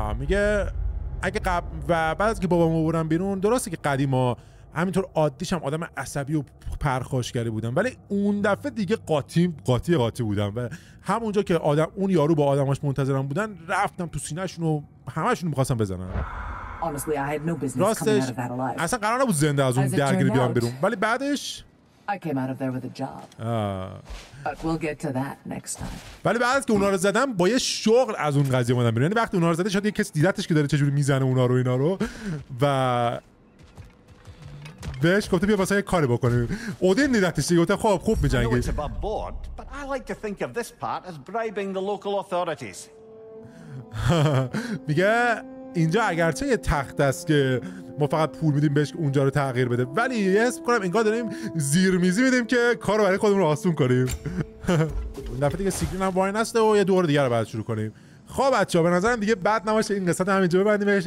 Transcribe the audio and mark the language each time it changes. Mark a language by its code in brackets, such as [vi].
[fa] میگه اگه قبل و بعد از که بابامو بردم بیرون، درسته که قدیما همینطور عادیشم آدم عصبی و پرخاشگری بودم، ولی اون دفعه دیگه قاطی بودم و همونجا که آدم اون یارو با آدماش منتظرم بودن، رفتم تو سینه‌شون و همه‌شون رو می‌خواستم بزنم. [en] Honestly, I had no business coming out of that alive. [fa] اصلا قرار نبود زنده از اون درگیری بیام بیرون، ولی بعدش [en] I came out of there with a job. But we'll get to that next time. [fa] ولی بعد از که اونا رو زدم با یه شغل از اون قضیه اومدم بیرون. یعنی وقتی اونا رو زدم شاید یه کسی دیدتش که داره چجوری میزنه اونا رو اینا رو و بهش گفته بیا واسه یه کاری بکنیم. اودین دیدتش گفته خب خوب می‌جنگی. [en] But I like to think of this part as bribing the local authorities. [fa] میگه اینجا اگرچه یه تخت است که ما فقط پول میدیم بهش که اونجا رو تغییر بده، ولی یه حس میکنم انگار داریم زیرمیزی میدیم که کار رو برای خودمون رو آسون کنیم. دفعه دیگه سیکرین هم وای نسته و یه دور دیگه رو بعد شروع کنیم. خب بچه ها به نظرم دیگه بد نماشه این قصه همینجا ببندیمش.